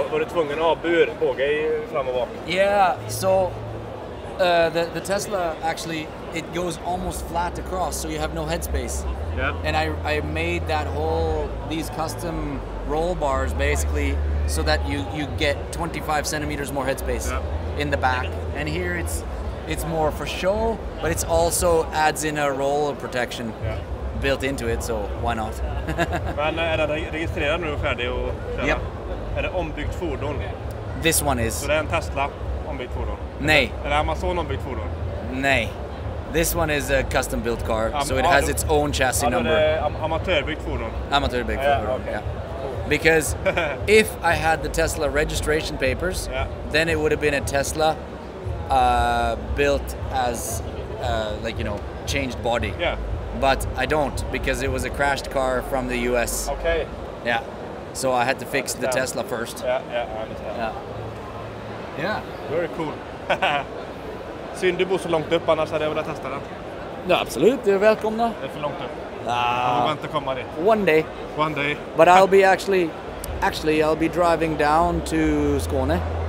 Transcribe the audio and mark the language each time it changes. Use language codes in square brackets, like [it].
[sv] Var du tvungen att ha bur båge fram och bak? [en] Yeah, so the Tesla actually, it goes almost flat across, so you have no headspace. Yeah. And I made that whole, these custom roll bars basically, so that you get 25 centimeters more headspace in the back. And here it's more for show, but it's also adds in a roll of protection built into it, so why not? [sv] Men är den registrerad nu och färdig och köra? [en] Yep. [sv] Är det ombyggt fordon? [en] This one is. [sv] Så det är en Tesla ombyggt fordon? Nej. Är det Amazon ombyggt fordon? Nej. [en] This one is a custom built car, so it has its own chassis number. [sv] Är det amatörbyggt fordon? Amatörbyggt fordon, okay. Yeah. [en] Because if I had the Tesla registration papers, then it would have been a Tesla built as, changed body. Yeah. But I don't, because it was a crashed car from the US. Okay. Yeah. So I had to fix the Tesla first. Yeah, I understand. Yeah. Very cool. [sv] Synd du bor så långt upp, annars hade jag velat testa den. Ja, absolut. Du är välkomna. Det är för långt upp. [en] One day. But I'll be actually I'll be driving down to Skåne.